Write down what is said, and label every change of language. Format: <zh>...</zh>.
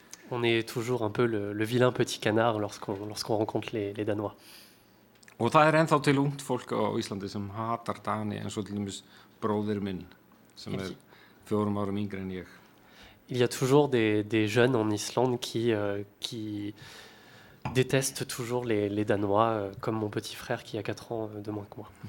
<fr>On est toujours un peu le vilain petit canard lorsqu'on rencontre les Danois.</fr> <is>Og það ennþá til ungt fólk á Íslandi sem hatar Dani eins og til dæmis bróðir minn.</is> <fr>Il y a toujours des jeunes en Islande qui détestent toujours les Danois, comme mon petit frère qui a 4 ans de moins que moi.</fr>